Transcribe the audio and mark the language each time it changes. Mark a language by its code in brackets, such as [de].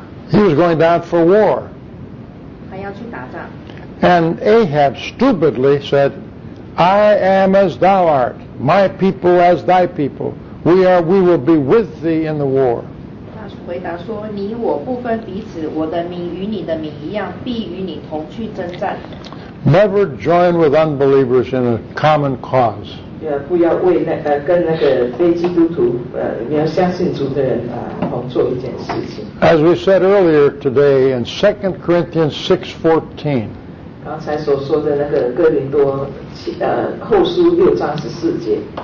[en] He was going down for war. And Ahab stupidly said, I am as thou art, my people as thy people. We will be with thee in the war. [zh] 回答说，你我不分彼此，我的名与你的名一样，必与你同去征战。 [en] Never join with unbelievers in a common cause. [zh] 不要为跟那个非基督徒，你要相信主的人同做一件事情。 [en] As we said earlier today in 2 Corinthians 6:14. [zh] 刚才所说的那个哥林多后书六章十四节。